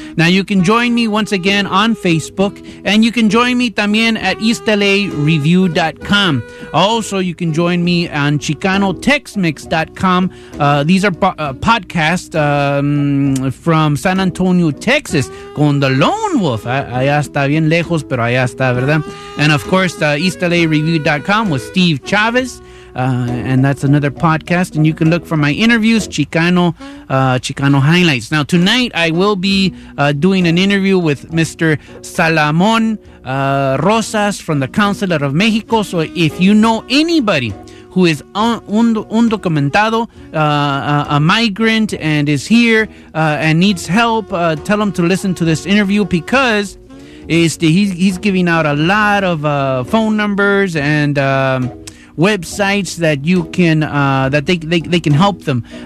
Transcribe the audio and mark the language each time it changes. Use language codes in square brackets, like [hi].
[en] Now you can join me once again on Facebook, and you can join me [es] también [en] at eastlareview.com. Also, you can join me on chicanotexmix.com. These are podcasts from San Antonio, Texas, [es] con [en] The Lone Wolf. [es] Allá está bien lejos, pero allá está, ¿verdad? [en] And of course, eastlareview.com with Steve Chavez. And that's another podcast, and you can look for my interviews, Chicano Highlights. Now tonight I will be doing an interview with Mr. Salomón Rosas from the Consulate of Mexico. So if you know anybody who is [es] undocumentado, [en] a migrant, and is here and needs help, tell them to listen to this interview, because he's giving out a lot of phone numbers and websites that you can that they can help them.